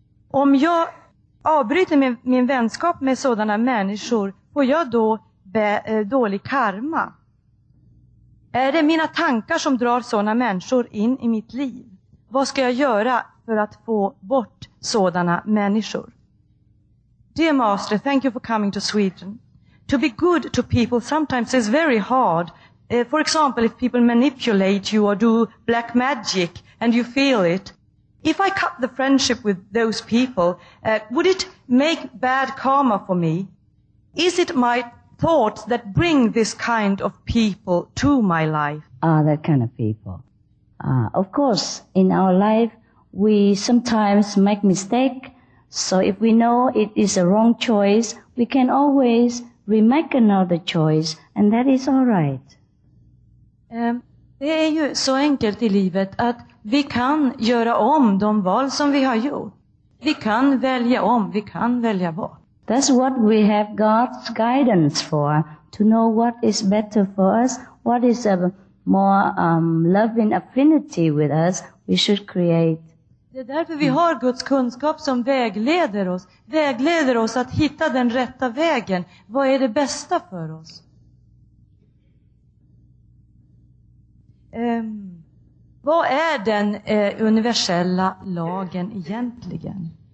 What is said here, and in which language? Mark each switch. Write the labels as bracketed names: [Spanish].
[Swedish] Om jag avbryter min vänskap med sådana människor, får jag då dålig karma? Är det mina tankar som drar sådana människor in i mitt liv? Vad ska jag göra för att få bort sådana människor? [English] Dear Master, thank you for coming to Sweden. To be good to people sometimes is very hard. For example, if people manipulate you or do black magic and you feel it, if I cut the friendship with those people, would it make bad karma for me? Is it my thoughts that bring this kind of people to my life? That kind of people. Of course, in our life, we sometimes make mistake. So if we know it is a wrong choice, we can always remake another choice, and that is all right. [Swedish] Det är ju så enkelt i livet att vi kan göra om de val som vi har gjort. Vi kan välja om, vi kan välja bort. [English] That's what we have God's guidance for, to know what is better for us, what is a more loving affinity with us we should create. [Swedish] Det är därför vi har Guds kunskap som vägleder oss att hitta den rätta vägen. Vad är det bästa för oss? Vad är den universella lagen egentligen?